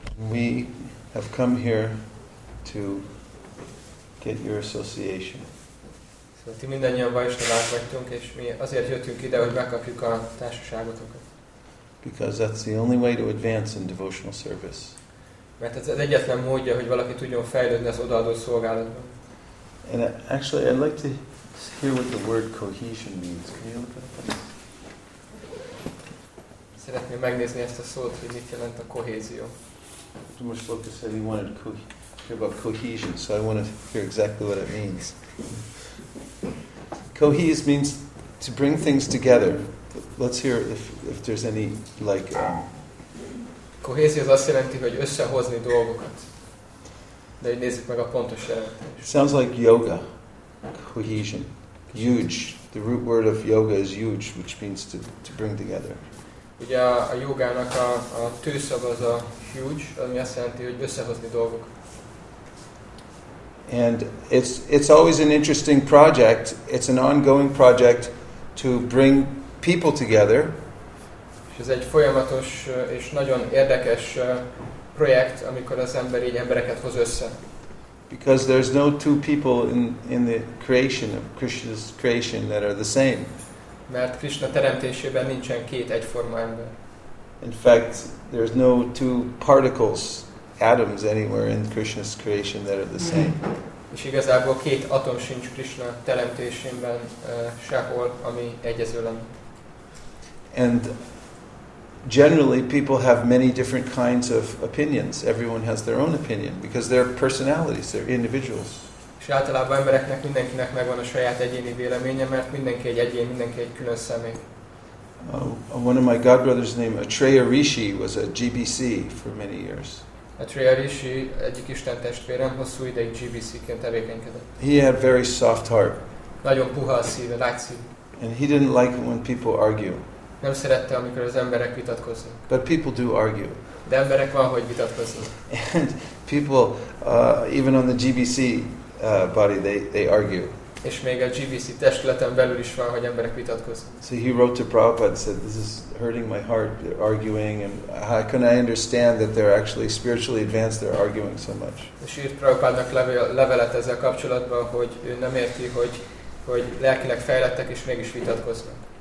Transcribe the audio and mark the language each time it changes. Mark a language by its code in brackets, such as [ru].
[en] We have come here to get your association. [hu] So ti mindannyian Vaishnavák vagytunk, és mi azért jöttünk ide, hogy megkapjuk a társaságotokat. [en] Because that's the only way to advance in devotional service. [hu] Mert ez az egyetlen módja, hogy valaki tudjon fejlődni az odaadó szolgálatban. [en] And actually, I'd like to hear what the word cohesion means. Can you look it up? [hu] Szeretném megnézni ezt a szót, hogy mit jelent a kohézió. [en] Most look at said he wanted to hear about cohesion, so I want to hear exactly what it means. Cohesion means to bring things together. Let's hear if there's any like. [hu] Kohézió az azt jelenti, hogy összehozni dolgokat. De nézzük meg a pontos jelentést. [en] Sounds like yoga. Cohesion. Huge. The root word of yoga is huge, which means to bring together. [hu] Ugye a jogának a tőszava az a huge, ami azt jelenti, hogy összehozni dolgok. [en] And it's always an interesting project. It's an ongoing project to bring people together. [hu] És ez egy folyamatos és nagyon érdekes projekt, amikor az ember így embereket hoz össze. [en] Because there's no two people in the creation of Krishna's creation that are the same. [hu] Mert Krishna teremtésében nincsen két egyforma ember. [en] In fact, there's no two particles, atoms anywhere in Krishna's creation that are the same. [hu] És igazából két atom sincs Krishna teremtésében sehol, ami egyező lenne. [en] And generally people have many different kinds of opinions. Everyone has their own opinion because they're personalities, they're individuals. [hu] És általában embereknek, mindenkinek megvan a saját egyéni véleménye, mert mindenki egy egyén, mindenki egy külön személy. [en] One of my godbrothers named Atreya Rishi was a GBC for many years. [hu] Atreya Rishi egyik isten testvérem, hosszú ideig GBC-ként tevékenykedett. [en] He had very soft heart. [hu] Nagyon puha a szíve, lágy szíve. [en] And he didn't like it when people argue. [hu] Nem szerette, amikor az emberek vitatkoznak. [en] But people do argue. [hu] De emberek van, hogy vitatkoznak. [en] And people, even on the GBC body, they argue. [hu] És még a GBC testületen belül is van, hogy emberek vitatkoznak. [en] So he wrote to Prabhupada and said, this is hurting my heart, they're arguing, and how can I understand that they're actually spiritually advanced, they're arguing so much. [hu] És írt Prabhupádnak levelet ezzel kapcsolatban, hogy ő nem érti, hogy lelkileg fejlettek, és mégis vitatkoznak.